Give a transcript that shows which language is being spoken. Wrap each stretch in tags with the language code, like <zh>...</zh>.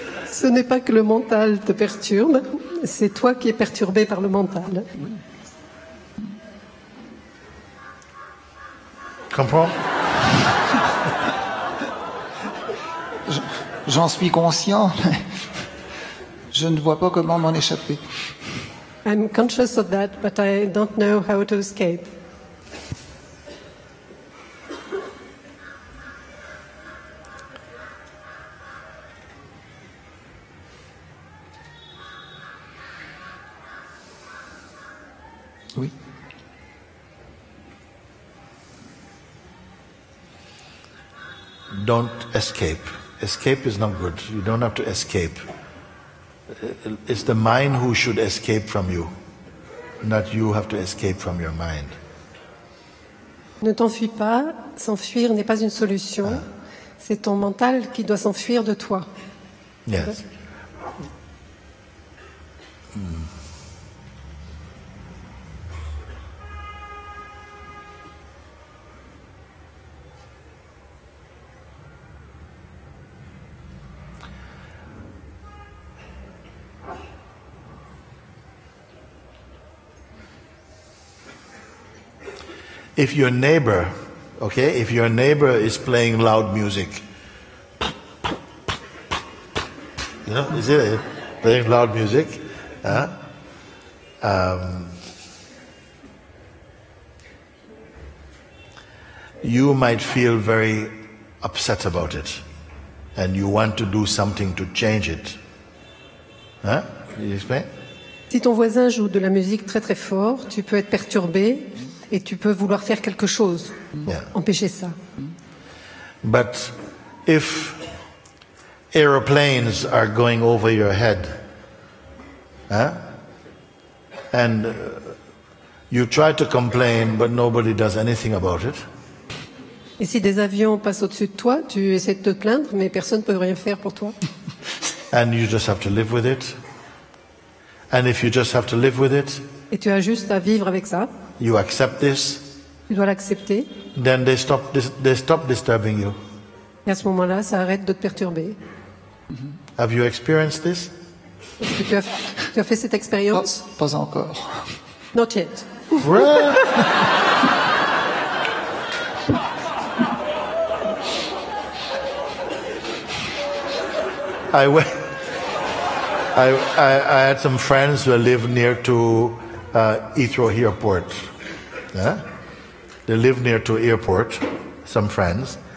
<fr>Ce n'est pas que le mental te perturbe, c'est toi qui es perturbé par le mental. Comprends? J'en suis conscient, mais je ne vois pas comment m'en échapper.</fr> <en>I'm conscious of that, but I don't know how to escape.</en> <fr>Oui.</fr> <en>Don't escape. Escape is not good. You don't have to escape. It's the mind who should escape from you, not you have to escape from your mind.</en> <fr>Ne t'enfuis pas. S'enfuir n'est pas une solution. C'est ton mental qui doit s'enfuir de toi.</fr> <en>Yes. If your neighbor, okay, if your neighbor is playing loud music, you know, is it playing loud music? You might feel very upset about it, and you want to do something to change it. You explain?</en> <fr>Si ton voisin joue de la musique très très fort, tu peux être perturbé. Et tu peux vouloir faire quelque chose pour empêcher ça.</fr> <en>But if aeroplanes are going over your head, and you try to complain, but nobody does anything about it.</en> <fr>Et si des avions passent au-dessus de toi, tu essaies de te plaindre, mais personne ne peut rien faire pour toi.</fr> <en>And you just have to live with it. And if you just have to live with it.</en> <fr>Et tu as juste à vivre avec ça.</fr> <en>You accept this.</en> <fr>Tu dois l'accepter.</fr> <en>Then they stop disturbing you.</en> <fr>Et à ce moment-là, ça arrête de te perturber.</fr> <en>Have you experienced this?</en> <fr>Est-ce que tu as fait cette expérience? Oh, pas encore.</fr> <en>Not yet. I had some friends who live near to Heathrow Airport. They live near to airport, some friends,</en>